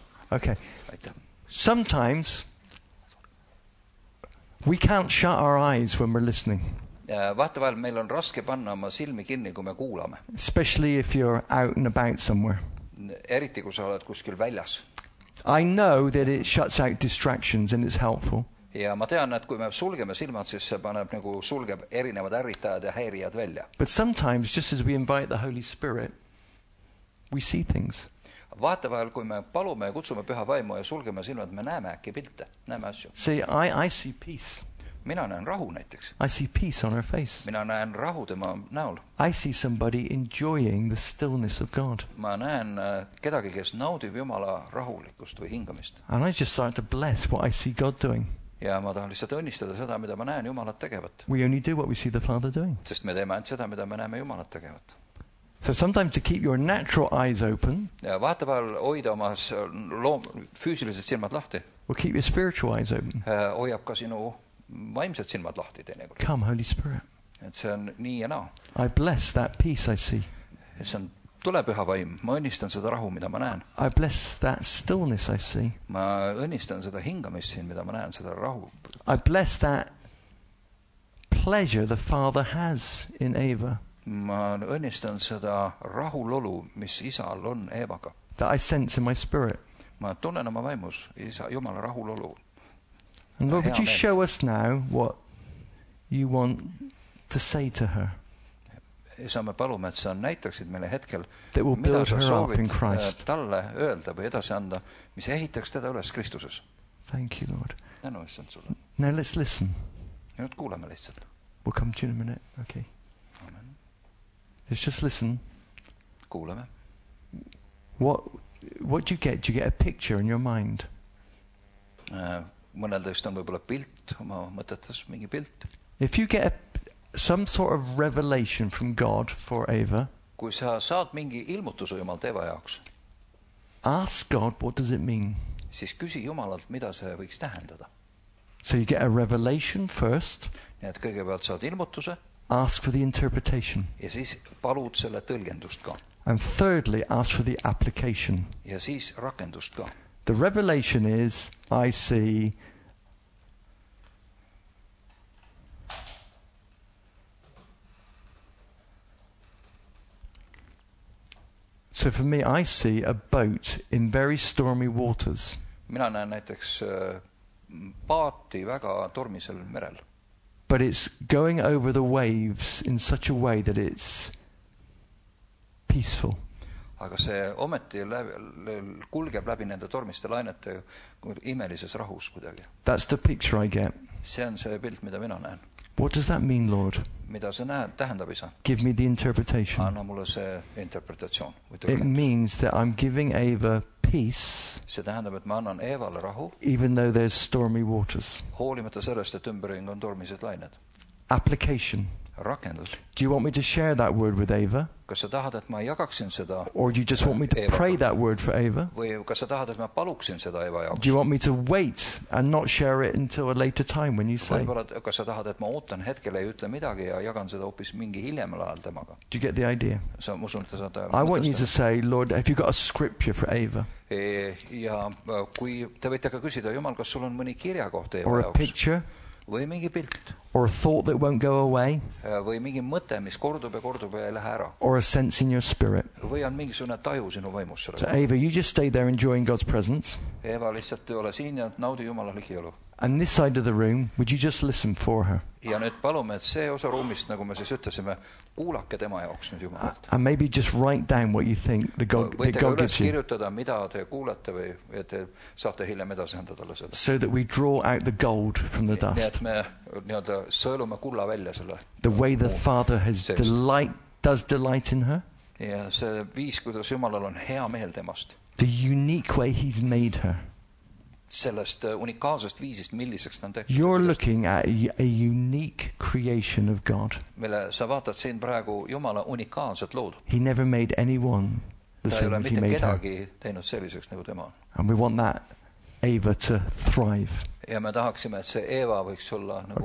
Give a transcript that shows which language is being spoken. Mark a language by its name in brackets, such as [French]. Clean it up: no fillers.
[English] Okay. Sometimes we can't shut our eyes when we're listening. [Estonian] Vahtavahel meil on raske panna oma silmi kinni, kui me kuulame. [English] Especially if you're out and about somewhere. [Estonian] Eriti, kui sa oled kuskil väljas. [English] I know that it shuts out distractions and it's helpful. [Estonian] Ja ma tean, et kui me sulgeme silmad, siis see paneb nagu sulgeb erinevad ärritajad ja häirijad välja. [English] But sometimes, just as we invite the Holy Spirit, we see things. [Estonian] Vahetevahel, kui me palume ja kutsume püha vaimu ja sulgeme silmad, me näeme äkki pilte, näeme asju. [English] See, I see peace. [Estonian] Mina näen rahu näiteks. [English] I see peace on her face. [Estonian] Mina näen rahu tema näol. [English] I see somebody enjoying the stillness of God. [Estonian] Ma näen kedagi, kes naudib Jumala rahulikust või hingamist. [English] And I just start to bless what I see God doing. [Estonian] Ja ma tahan lihtsalt õnnistada seda, mida ma näen Jumalat tegevat. [English] We only do what we see the Father doing. [Estonian] Sest me teeme seda, mida me näeme Jumalat tegevat. [English] So sometimes to keep your natural eyes open. [Estonian] Ja vahetevahel hoida omas füüsilised silmad lahti. [English] Will keep your spiritual eyes open. [Estonian] Hoiab ka sinu vaimsed silmad lahti teinekord. [English] Come, Holy Spirit. [Estonian] Et see on nii ja naa. [English] I bless that peace I see. [Estonian] Et see on tule püha vaim. Ma õnnistan seda rahu, mida ma näen. [English] I bless that stillness I see. [Estonian] Ma õnnistan seda hingamist siin, mida ma näen, seda rahu. [English] I bless that pleasure the Father has in Eva. [Estonian] Ma õnnistan seda rahulolu, mis isal on Eevaga. [English] That I sense in my spirit. [Estonian] Ma tunnen oma vaimus, isa, Jumala rahulolu. [English] And Lord, would you show us now what you want to say to her? [Estonian] Saame palume, et sa näitaksid meile hetkel, [English] that will build her up in Christ. [Estonian] Talle öelda või edasi anda, mis ehitaks teda üles Kristuses. [English] Thank you, Lord. [Estonian] Tänu, mis on sulle. [English] Now let's listen. [Estonian] Ja nüüd kuuleme lihtsalt. [English] We'll come to you in a minute, okay. Amen. Let's just listen. [Estonian] Kuuleme. [English] What do you get? Do you get a picture in your mind? [Estonian] Mõneldest on võibolla pilt, oma mõtetas mingi pilt. [English] If you get some sort of revelation from God for Eva, [Estonian] kui sa saad mingi ilmutus Jumalt Eva jaoks, [English] ask God, what does it mean? [Estonian] Siis küsi Jumalalt, mida see võiks tähendada. [English] So you get a revelation first. [Estonian] Nii et kõigepealt saad ilmutuse. [English] Ask for the interpretation. [Estonian] Ja siis palud selle tõlgendust ka. [English] And thirdly, ask for the application. [Estonian] Ja siis rakendust ka. [English] The revelation is, I see so for me, I see a boat in very stormy waters. [Estonian] Mina näen näiteks paati väga tormisel merel. [English] But it's going over the waves in such a way that it's peaceful. [Estonian] Aga see ometi kulgeb läbi nende tormiste lainete imelises rahus kuidagi. [English] That's the picture I get. [Estonian] See on see pilt, mida mina näen. [English] What does that mean, Lord? [Estonian] Mida sa näed, tähendab isa? [English] Give me the interpretation. [Estonian] Anna mulle see interpretatsioon. [English] It means that I'm giving Eva peace. [Estonian] See tähendab, et ma annan Eevale rahu. [English] Even though there's stormy waters. [Estonian] Hoolimata sellest, et ümbering on tormised lained. [English] Application. [Estonian] rakendus. [English] Do you want me to share that word with Eva? [Estonian] Kas sa tahad, et ma jagaksin seda? [English] Or do you just want me to Eva pray ka? That word for Eva? [Estonian] Või kas sa tahad, et ma paluksin seda Eva jaoks? [English] Do you want me to wait and not share it until a later time when you say? [Estonian] Kas sa tahad, et ma ootan hetkele ja ütle midagi ja jagan seda hoopis mingi hiljemal ajal temaga? [English] Do you get the idea? [Estonian] Sa, musun, ta saad, [English] I want you to say, Lord, have you got a scripture for Eva? [Estonian] Ja kui te võite ka küsida, Jumal, kas sul on mõni kirja kohta Eva jaoks? [English] Or a picture? [Estonian] Või mingi pilt. [English] Or a thought that won't go away. [Estonian] Või mingi mõte, mis kordub ja lähe ära. [English] Or a sense in your spirit. [Estonian] Või on mingisugune taju sinu vaimusse. [English] So Eva, you just stay there enjoying God's presence. [Estonian] Eva, lihtsalt ole siin ja naudi Jumala ligiolu. [English] And this side of the room, would you just listen for her? [Estonian] Ja nüüd palume, et see osa ruumist, nagu me siis ütlesime, kuulake tema jaoks nüüd Jumala. [English] And maybe just write down what you think the God, [Estonian] võite [English] that God gives you. [Estonian] Võite kirjutada, mida te kuulate või te saate hiljem edasi anda talle seda. [English] So that we draw out the gold from the dust. [Estonian] Nii et me nii-öelda sõelume kulla välja selle. [English] The way the Father has delight, does delight in her. [Estonian] Ja see viis, kuidas Jumalal on hea meel temast. [English] The unique way he's made her. [Estonian] Sellest unikaalsest viisist, milliseks ta on tehtud. [English] You're looking at a unique creation of God. [Estonian] Mille sa vaatad siin praegu Jumala unikaalset lood. [English] He never made anyone the same as he made her. [Estonian] Ta ei ole mitte kedagi teinud selliseks nagu tema. [English] And we want that Eva to thrive. [Estonian] Ja me tahaksime, et see Eva võiks olla nagu